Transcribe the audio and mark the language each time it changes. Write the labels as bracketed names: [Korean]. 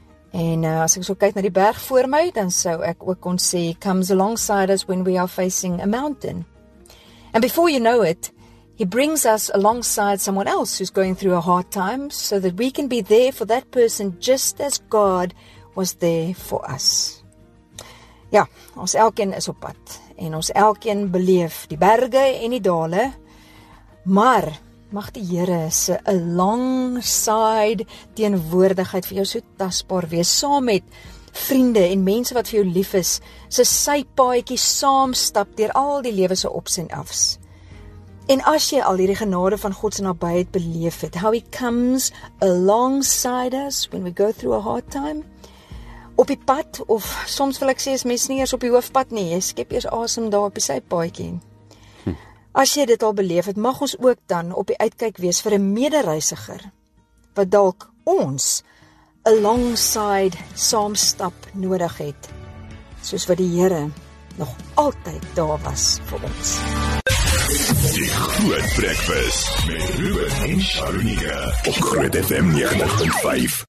[Afrikaans] En as ek so kyk na die berg voor my, dan sou ek ook kon sê, [English] comes alongside us when we are facing a mountain. And before you know it, he brings us alongside someone else who's going through a hard time, so that we can be there for that person just as God was there for us. [Afrikaans] Ja, ons elkeen is op pad. En ons elkeen beleef die berge en die dale, maar mag die Here se alongside teenwoordigheid vir jou so tasbaar wees, saam met vriende en mense wat vir jou lief is, se sy paadjie saamstap deur al die lewe se ups en afs. En as jy al hierdie genade van God se nabyheid beleef het, [English] how he comes alongside us when we go through a hard time, [Afrikaans] op die pad, of soms wil ek sê, is mens nie eers op die hoofpad nie, jy skep eers asem daar op die sy paadjie. As jy dit al beleef het, mag ons ook dan op die uitkyk wees vir 'n medereisiger, wat dalk ons alongside saamstap nodig het, soos wat die Here nog altyd daar was vir ons. Die Groot Breakfast met Ruben en Sharunika op Groot FM 98.5.